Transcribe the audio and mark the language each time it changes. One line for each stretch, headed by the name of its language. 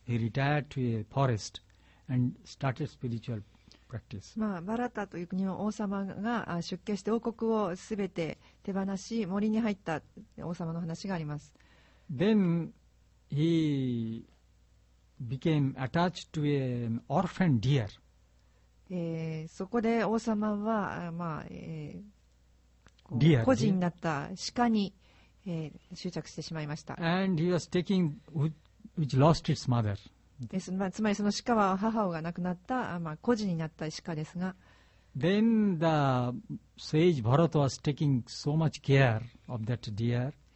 English: He retired to a forest and started spiritual practice.
Japanese: まあ、バラタという国の王様が出家して王国をすべて手放し、森に入った王様の話があります。
English: Then he became attached to an orphan deer.
Japanese: そこで王様は、まあ、
English: deer,
Japanese: 孤児になった鹿に、執着してしまいました。
English: And he was taking which lost its mother.
Japanese: です、まあ、つまりその鹿は母親が亡くなった、まあ、孤児になった鹿ですが。
English: Then the sage Bharata was taking so much care of that deer.